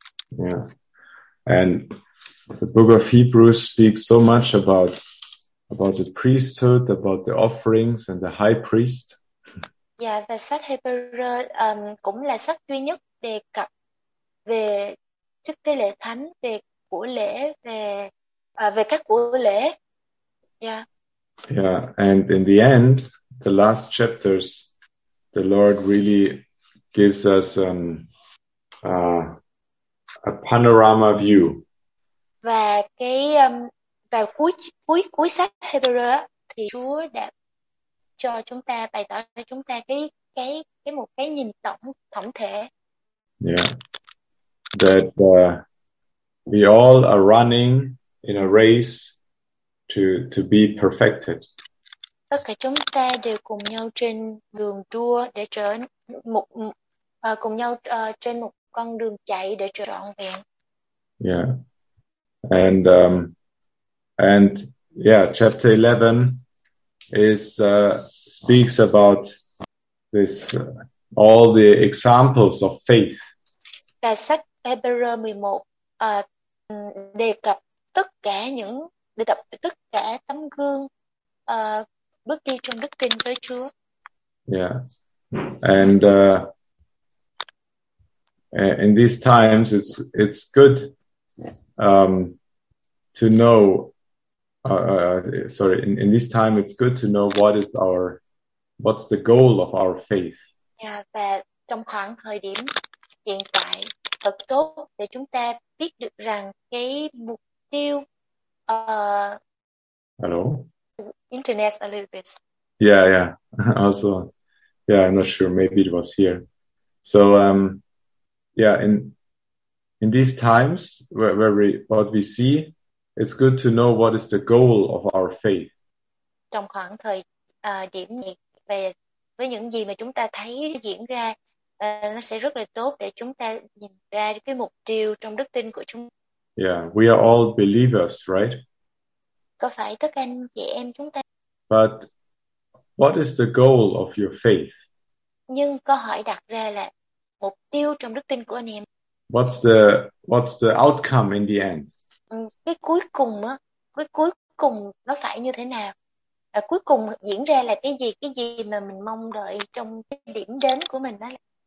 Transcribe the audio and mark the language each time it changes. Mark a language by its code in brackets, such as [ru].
[en] Yeah, and the book of Hebrews speaks so much about the priesthood, about the offerings and the high priest. [vi] Yeah, và sách Hebrews cũng là sách duy nhất đề cập về chức tế lễ thánh, về của lễ, về các của lễ. Yeah. [en] Yeah, and in the end, the last chapters, the Lord really gives us a panorama view. [vi] Và vào cuối sách Hebrews thì Chúa đã cho chúng ta bày tỏ cho chúng ta cái một cái nhìn tổng thể. [en] Yeah. That we all are running in a race to be perfected. [vi] Tất cả chúng ta đều cùng nhau trên đường đua để trở một cùng nhau trên một con đường chạy để trọn vẹn. Yeah. [en] And yeah, chapter 11 speaks about this all the examples of faith. [vi] Và sách Hebrews 11 đề cập tất cả tấm gương bước đi trong đức tin với Chúa. Yeah. [en] And in these times it's good to know in this time it's good to know what's the goal of our faith. [vi] Yeah, và trong khoảng thời điểm hiện tại thật tốt để chúng ta biết được rằng cái mục tiêu [en] Hello? Internet a little bit. Yeah. Also, yeah, I'm not sure, maybe it was here. So yeah, in these times what we see, it's good to know what is the goal of our faith. [vi] Trong khoảng thời điểm này với những gì mà chúng ta thấy diễn ra, nó sẽ rất là tốt để chúng ta nhìn ra cái mục tiêu trong đức tin của chúng. [en] Yeah, we are all believers, right? [vi] Có phải tất cả anh chị em chúng ta? [en] But what is the goal of your faith? [vi] Nhưng câu hỏi đặt ra là mục tiêu trong đức tin của anh em. [en] What's the outcome in the end? [vi] Cái cuối cùng á, cái cuối cùng nó phải như thế nào? À, cuối cùng diễn ra là cái gì mà mình mong đợi trong cái điểm đến của mình đó là...